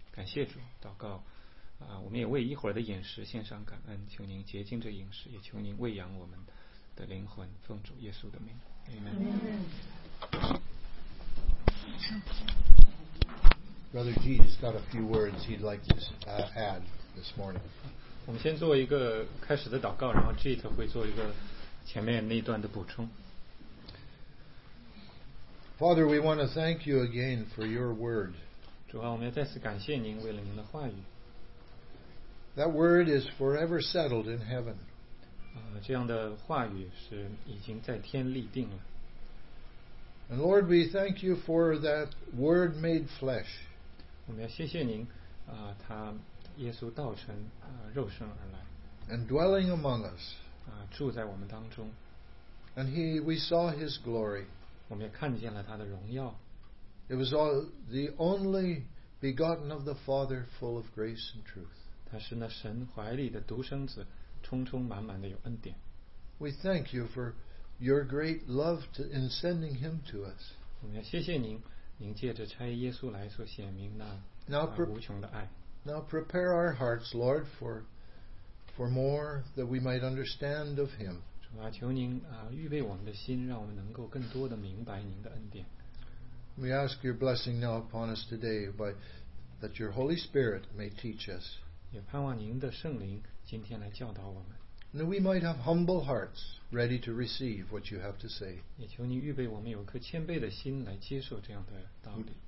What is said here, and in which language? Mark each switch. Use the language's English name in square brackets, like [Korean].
[Chinese] 感谢主，祷告我们也为一会儿的饮食献上感恩，求您洁净这饮食，也求您喂养我们的灵魂，奉主耶稣的名， Amen。 [English] Brother G has got a few words he'd like to add this morning。 [Chinese] 我们先做一个开始的祷告，然后 G 他会做一个前面那段的补充。 [English] Father, we want to thank you again for your word。 [Chinese] 主啊，我们要再次感谢您，为了您的话语。 [English] That word is forever settled in heaven。 [Chinese] 这样的话语是已经在天立定了。 [English] And Lord, we thank you for that word made flesh。 [Chinese] 我们要谢谢您，他耶稣道成肉身而来。 [English] And dwelling among us。 [Chinese] 住在我们当中。 [English] And we saw his glory。 [Chinese] 我们也看见了他的荣耀。 [English] It was all the only begotten of the Father, full of grace and truth。 [Chinese] 他是那神怀里的独生子，充充满满的有恩典。 [English] We thank you for your great love in sending him to us。 [Chinese] 我们要谢谢您，您借着差耶稣来所显明那无穷的爱。 [English] Now prepare our hearts, Lord, for more that we might understand of him。 [Chinese] 主啊，求您预备我们的心，让我们能够更多的明白您的恩典。 [English] We ask your blessing now upon us today, by that your Holy Spirit may teach us。 [Chinese] 也盼望您的圣灵今天来教导我们。 [English] That we might have humble hearts ready to receive what you have to say。 [Chinese] 也求您预备我们有颗谦卑的心来接受这样的道理。